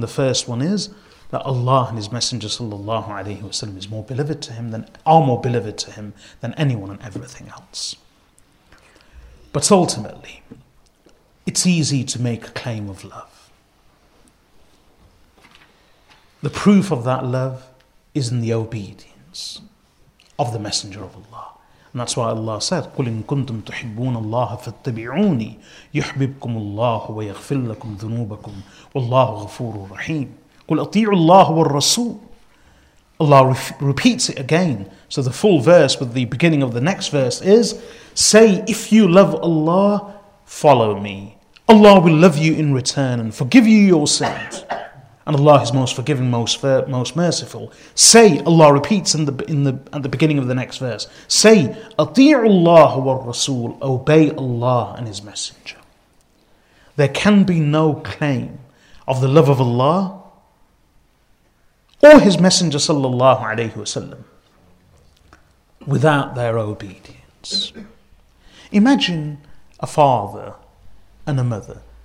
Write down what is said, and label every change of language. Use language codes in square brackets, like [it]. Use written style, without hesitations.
[en] The first one is that Allah and His Messenger sallallahu alayhi wa sallam are more beloved to him than anyone and everything else. But ultimately, it's easy to make a claim of love. The proof of that love is in the obedience of the Messenger of Allah. And that's why Allah said, [ar] قُلْ إِن كُنْتُمْ تُحِبُّونَ اللَّهَ فَاتَّبِعُونِي يُحْبِبْكُمُ اللَّهُ وَيَغْفِرْ لَكُمْ ذُنُوبَكُمْ وَاللَّهُ غَفُورٌ رَحِيمٌ قُلْ أَطِيعُوا اللَّهَ وَالرَّسُولَ. [en] Allah repeats it again. So the full verse with the beginning of the next verse is, say, if you love Allah, follow me. Allah will love you in return and forgive you your sins. And Allah is most forgiving, most merciful. Say, Allah repeats at the beginning of the next verse. Say, [ar] أَطِيعُ اللَّهُ وَالرَّسُولُ. [en] Obey Allah and His Messenger. There can be no claim of the love of Allah or His Messenger sallallahu alayhi wasallam without their obedience. Imagine a father and a mother.